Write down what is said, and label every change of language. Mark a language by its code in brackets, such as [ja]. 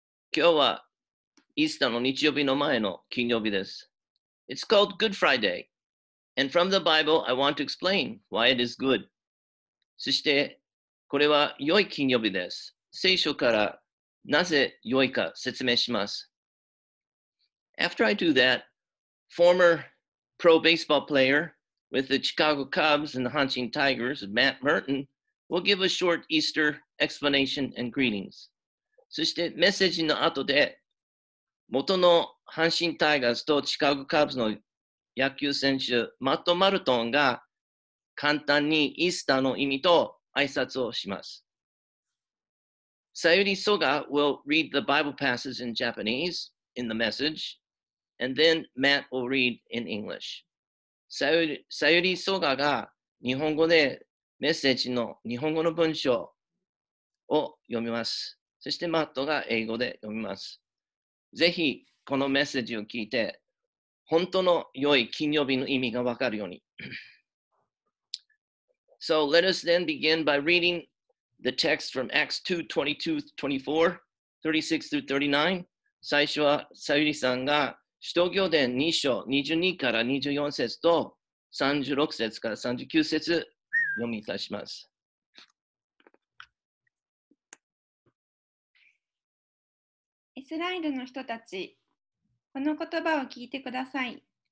[ja] 今日はイースターの日曜日の前の金曜日です。 [en] It's called Good Friday. And from the Bible, I want to explain why it is good. [ja] そして、これは良い金曜日です。聖書からなぜ良いか説明します。 [en] After I do that, former pro baseball player with the Chicago Cubs and the Hanshin Tigers, Matt Merton,We'll give a short Easter explanation and greetings. [ja] そしてメッセージの後で、元の阪神タイガースとシカゴカブスの野球選手、マット・マルトンが簡単にイースターの意味と挨拶をします。 [en] Sayuri Soga will read the Bible passages in Japanese in the message, and then Matt will read in English. [ja] Sayuri Soga が日本語でメッセージの日本語の文章を読みます。そしてマットが英語で読みます。ぜひこのメッセージを聞いて、本当の良い金曜日の意味がわかるように。 [en] So let us then begin by reading the text from Acts 2:22-24, 36-39. [ja] 最初はさゆりさんが使徒行伝2章22から24節と36節から39節。読みいたします。イスラエルの人たち、この言葉を聞いてください。